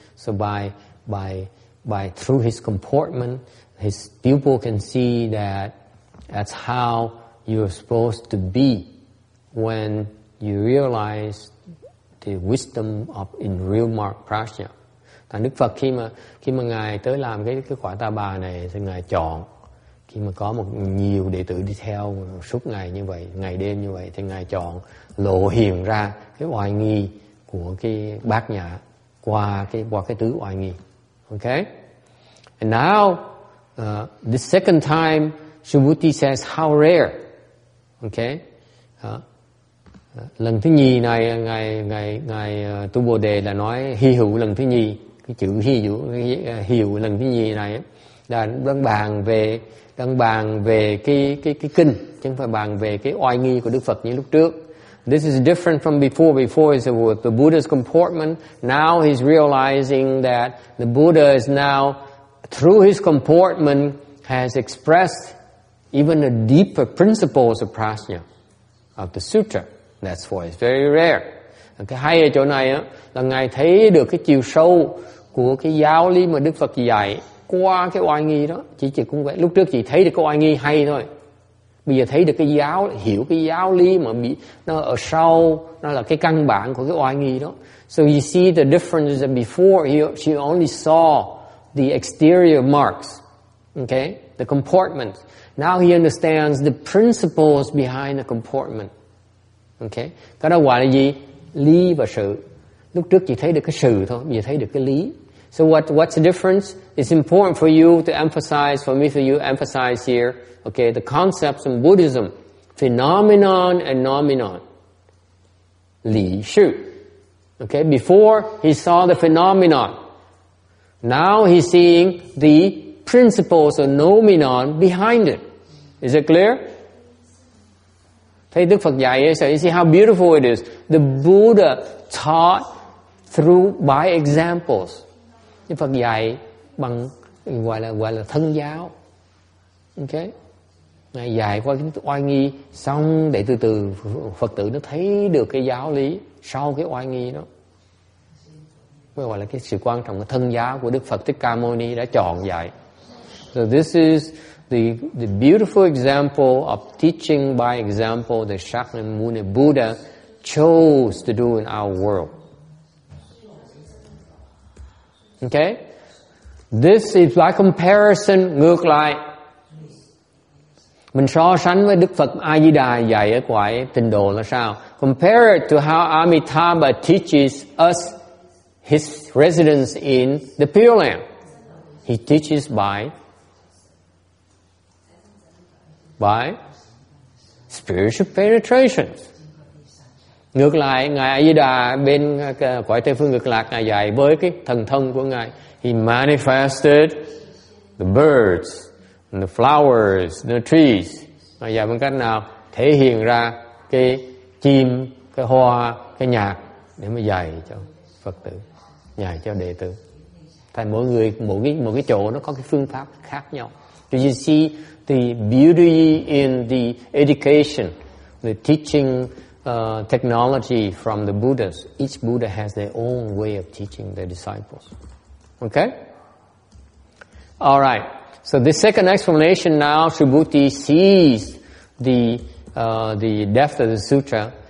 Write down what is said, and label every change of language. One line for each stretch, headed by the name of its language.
English: So by through his comportment, his pupil can see that that's how you're supposed to be when you realize the wisdom of in real mark prajna.
Vietnamese: Thành Đức Phật khi mà ngài tới làm cái quả ta bà này thì ngài chọn, khi mà có một nhiều đệ tử đi theo suốt ngày như vậy, ngày đêm như vậy, thì ngài chọn lộ hiện ra cái oai nghi của cái bát nhã qua cái tứ oai nghi.
English: Okay, and now the second time Subhuti says how rare.
Vietnamese: Okay, lần thứ nhì này ngài Tu Bồ Đề là nói hy hữu lần thứ nhì. Cái chữ hiểu lần thứ nhì này là đang bàn về cái kinh, chứ không phải bàn về cái oai nghi của Đức Phật như lúc trước.
English: This is different from before. Before is with the Buddha's comportment. Now he's realizing that the Buddha is now, through his comportment, has expressed even a deeper principles of prajna of the sutra. That's why it's very rare.
Vietnamese: Cái hay ở chỗ này á là ngài thấy được cái chiều sâu của cái giáo lý mà Đức Phật dạy qua cái oai nghi đó. Chỉ cũng vậy, lúc trước chỉ thấy được cái oai nghi hay thôi, bây giờ thấy được cái giáo, hiểu cái giáo lý mà bị nó ở sau, nó là cái căn bản của cái oai nghi đó.
English: So you see the difference that before she only saw the exterior marks. Okay, the comportment. Now he understands the principles behind the comportment.
Vietnamese: Okay? Cái đó gọi là gì? Lý và sự. Lúc trước chỉ thấy được cái sự thôi, bây giờ thấy được cái lý.
English: So what's the difference? It's important for you to emphasize, for me for you emphasize here, okay, the concepts in Buddhism, phenomenon and nomenon. Lý sự. Okay, before he saw the phenomenon. Now he's seeing the principles or nomenon behind it. Is it clear?
Vietnamese: Thầy Đức Phật dạy ấy,
English: so you see how beautiful it is. The Buddha taught through by examples.
Vietnamese: Đức Phật dạy bằng gọi là thân giáo. Okay? Ngài dạy qua cái oai nghi xong để từ từ Phật tử nó thấy được cái giáo lý sau cái oai nghi đó. Mới gọi là cái sự quan trọng của thân giáo của Đức Phật Thích Ca Mâu Ni đã chọn dạy.
English: So this is the beautiful example of teaching by example that Shakyamuni Buddha chose to do in our world. Okay? This is by comparison,
Vietnamese: ngược lại. Mình so sánh với Đức Phật A-di-đà dạy ở quái tình độ là sao?
English: Compare it to how Amitabha teaches us his residence in the Pure Land. He teaches by spiritual penetration.
Vietnamese: Ngược lại, Ngài A-di-đà bên quái Tây Phương Cực Lạc, Ngài dạy với cái thần thông của Ngài.
English: He manifested the birds and the flowers and the trees.
Vietnamese: Ngài dạy bằng cách nào? Thể hiện ra cái chim, cái hoa, cái nhạc để mà dạy cho Phật tử, dạy cho đệ tử. Tại mỗi người, mỗi cái chỗ nó có cái phương pháp khác nhau.
English: Do you see the beauty in the education, the teaching technology from the Buddhas? Each Buddha has their own way of teaching their disciples. Okay? All right. So the second explanation now, Subhuti sees the depth of the sutra.